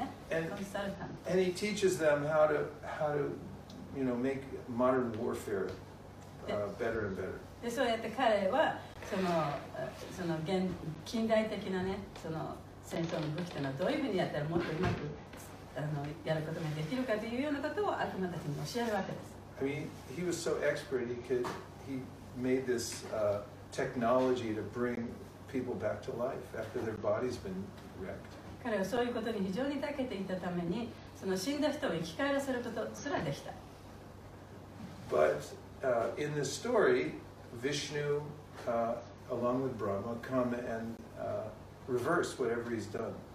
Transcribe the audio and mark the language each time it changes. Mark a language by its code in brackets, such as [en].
[en] And, and he teaches them how to you know, make modern warfare better and better. [ja] でそうやって彼はその近代的なね、その戦争の武器というのはどういうふうにやったらもっとうまくやることができるかというようなことを悪魔たちに教えるわけです。 [en] I mean, he was so expert. He made this technology to bring people back to life after their body's been. [ja] 彼はそういうことに非常に長けていたためにその死んだ人を生き返らせることすらできた。 [en] But, in this story, Vishnu, along with Brahma, come and, reverse whatever he's done.